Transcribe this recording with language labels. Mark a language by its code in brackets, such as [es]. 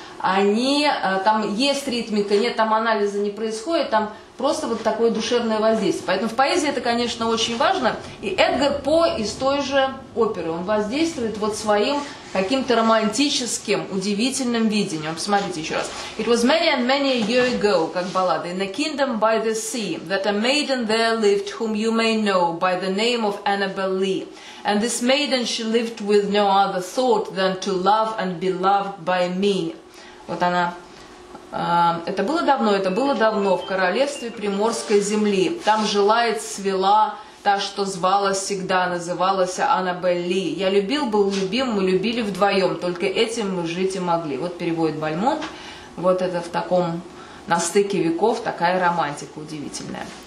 [ru] Они, там есть ритмика, нет, там анализа не происходит, там просто вот такое душевное воздействие. Поэтому в поэзии это, конечно, очень важно. И Эдгар По из той же оперы, он воздействует вот своим каким-то романтическим, удивительным видением. Посмотрите еще раз. [en] It was many and many a year ago, [ru] как баллада, [en] in a kingdom by the sea, that a maiden there lived, whom you may know by the name of Annabel Lee. And this maiden, she lived with no other thought than to love and be loved by me. [ru] Вот она. Это было давно, в королевстве Приморской земли. Там жила и цвела та, что звала всегда, называлась Аннабель Ли. Я любил, был любим, мы любили вдвоем, только этим мы жить и могли. Вот переводит Бальмонт. Вот это в таком, на стыке веков, такая романтика удивительная.